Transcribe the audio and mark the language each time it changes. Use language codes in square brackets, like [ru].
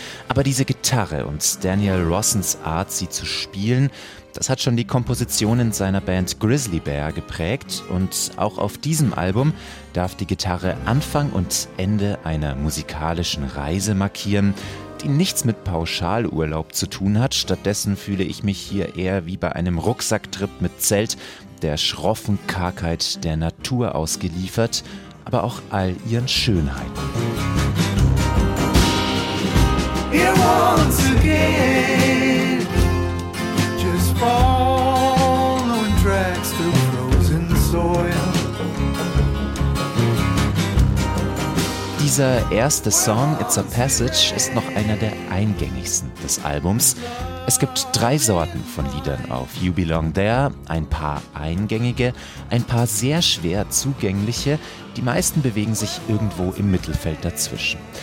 [de] Aber diese Gitarre und Daniel Rawsons Art, sie zu spielen, das hat schon die Kompositionen seiner Band Grizzly Bear geprägt und auch auf diesem Album darf die Gitarre Anfang und Ende einer musikalischen Reise markieren, die nichts mit Pauschalurlaub zu tun hat. Stattdessen fühle ich mich hier eher wie bei einem Rucksacktrip mit Zelt, der schroffen Kargheit der Natur ausgeliefert, aber auch all ihren Schönheiten. [en] Here once again, just following tracks through frozen soil. [de] Dieser erste Song, It's a Passage, ist noch einer der eingängigsten des Albums. Es gibt 3 Sorten von Liedern auf You Belong There, ein paar eingängige, ein paar sehr schwer zugängliche, die meisten bewegen sich irgendwo im Mittelfeld dazwischen.